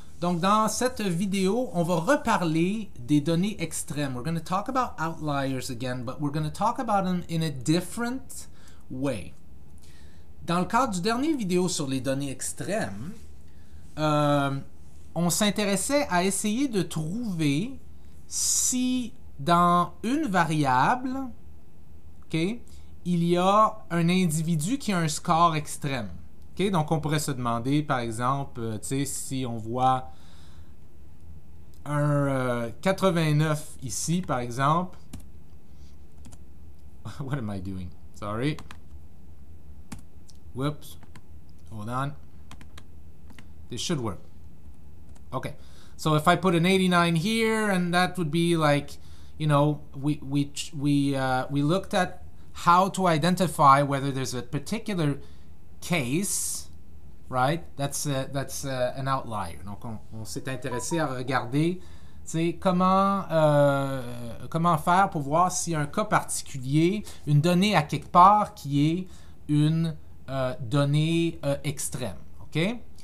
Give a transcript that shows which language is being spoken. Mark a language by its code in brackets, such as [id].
[fr] Donc dans cette vidéo, on va reparler des données extrêmes. [en] We're going to talk about outliers again, but we're going to talk about them in a different way. [fr] Dans le cadre du dernier vidéo sur les données extrêmes, on s'intéressait à essayer de trouver si dans une variable, OK, il y a un individu qui a un score extrême. Okay, donc, on pourrait se demander, par exemple, si on voit un 89 ici, par exemple. [en] What am I doing? Sorry. Whoops. Hold on. This should work. Okay. So, if I put an 89 here, and that would be like, you know, we looked at how to identify whether there's a particular case, right? That's an outlier. [fr] Donc, on s'est intéressé à regarder, tu sais, comment faire pour voir si un cas particulier, une donnée à quelque part qui est une donnée extrême, OK?